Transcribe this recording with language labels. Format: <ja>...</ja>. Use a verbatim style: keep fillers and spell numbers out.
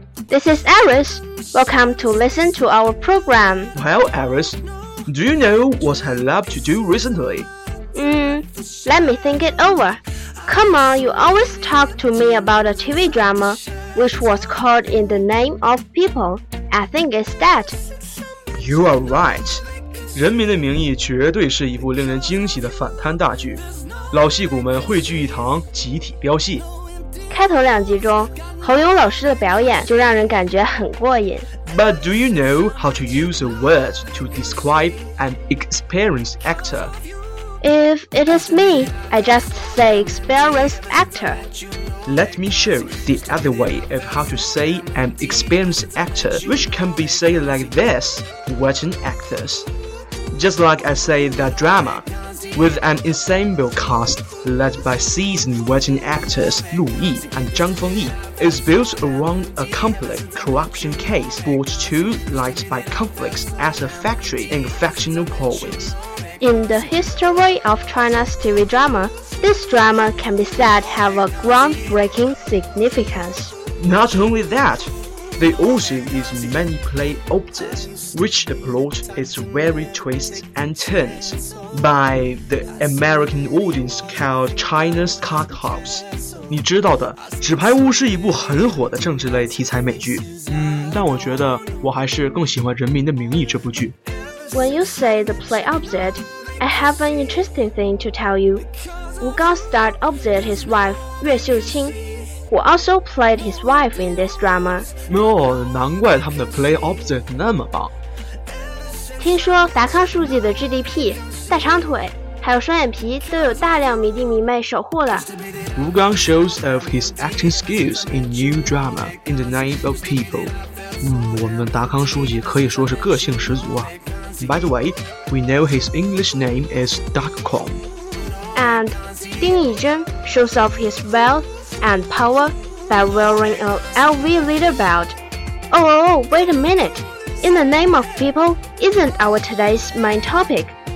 <en>This is Iris. Welcome to listen to our program. Well, Iris, do you know what I love to do recently? Hmm, let me think it over. Come on, you always talk to me about a T V drama, which was called In the Name of People. I think it's that. You are right.</en> <zh>《人民的名义》绝对是一部令人惊喜的反贪大剧，老戏骨们汇聚一堂，集体飙戏。开头两集中，侯勇老师的表演就让人感觉很过瘾。</zh> <en>But do you know how to use a word to describe an experienced actor? If it is me, I just say experienced actor. Let me show the other way of how to say an experienced actor, which can be said like this: veteran actors. Just like I say that drama, with an ensemble cast led by seasoned veteran actors Lu Yi and Zhang Fengyi, is built around a complex corruption case brought to light by conflicts at a factory in a fictional province. In the history of China's T V drama, this drama can be said to have a groundbreaking significance. Not only that. They also use many play objects, which the plot is very twists and turns by the American audience called China's Card House.</en> <zh>你知道的，《纸牌屋》是一部很火的政治类题材美剧。嗯，但我觉得我还是更喜欢《人民的名义》这部剧。</zh> <en>When you say the play object, I have an interesting thing to tell you. Wu Gang starred opposite his wife, Yue Xiuqing. Who also played his wife in this drama. No,</en> <zh>难怪他们的</zh> <en>play opposite</en> <zh>那么棒。听说达康书记的 G D P、大长腿还有双眼皮都有大量迷弟迷妹守护了。</zh> <en>Wu Gang shows off his acting skills in new drama In the Name of People.</en> <zh>嗯，我们达康书记可以说是个性十足啊。</zh> <en>By the way, we know his English name is Duck Kong. And</en> <zh>丁义珍</zh> <en>shows off his wealth. And power by wearing an L V leader belt. Oh, oh, oh, wait a minute. In the Name of People isn't our today's main topic.</en>